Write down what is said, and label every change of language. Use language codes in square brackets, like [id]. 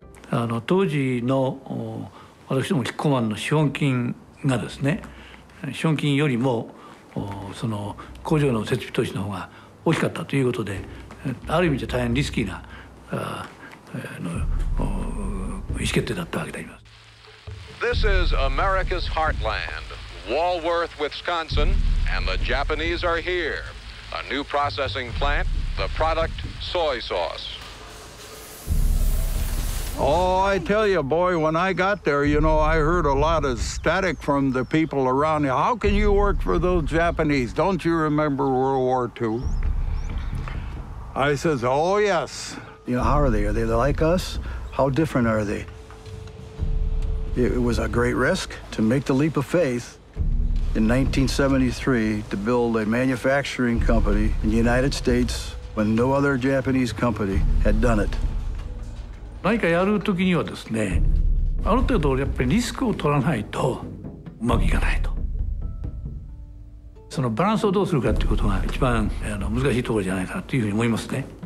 [ja] 当時の私どもキッコーマンの資本金がですね、資本金よりもその工場の設備投資の方が大きかったということで、ある意味じゃ大変リスキーな意思決定だったわけであります。 [en] This is America's heartland, Walworth, Wisconsin, and the Japanese are here. A new processing plant, the product soy sauce. Oh, I tell you, boy, when I got there, you know, I heard a lot of static from the people around you. How can you work for those Japanese? Don't you remember World War II? I says, oh, yes. You know, how are they? Are they like us? How different are they? It was a great risk to make the leap of faith in 1973 to build a manufacturing company in the United States when no other Japanese company had done it. [ja] 何かやるときにはですね、ある程度やっぱりリスクを取らないとうまくいかないと。そのバランスをどうするかということが一番難しいところじゃないかなというふうに思いますね。